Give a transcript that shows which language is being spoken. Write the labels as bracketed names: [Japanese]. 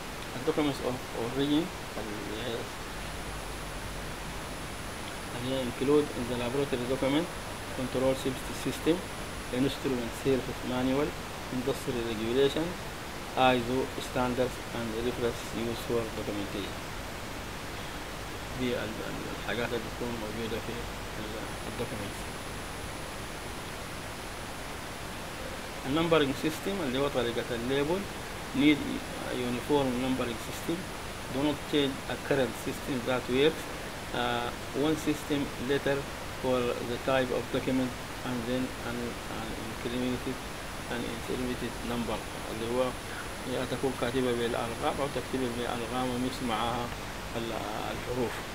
[English] The documents of origin include in the laboratory document, control system, instrument service manual, industry regulation, ISO standards and reference useful documentation. [Arabic] دي الحاجات اللي تكون موجودة في الدوكيمنت. النمبرنج سيستم اللي هو طريقة الليبل [English] need uniform numbering system. Do not change a current system that works. One system letter for the type of document and then an incremented number [Arabic] اللي هو يا تكون كاتبة بالأرقام أو تكتب بالأرقام ومكس معاها الحروف.